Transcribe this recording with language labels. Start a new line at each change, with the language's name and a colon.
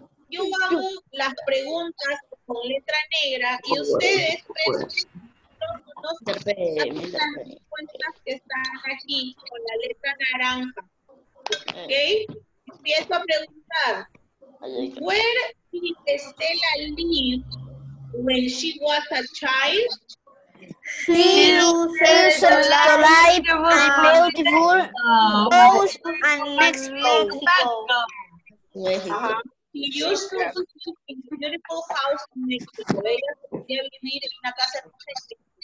Spanish: Yo hago las preguntas con letra negra y ustedes, pues, las respuestas que están aquí con la letra naranja. ¿Ok? Empiezo a preguntar.
English: ¿Where did Estela live when she was a child? She lives in a beautiful house and next Mexico. She used to live in a beautiful house in Mexico.
Spanish: Ella podía vivir en una casa en Mexico.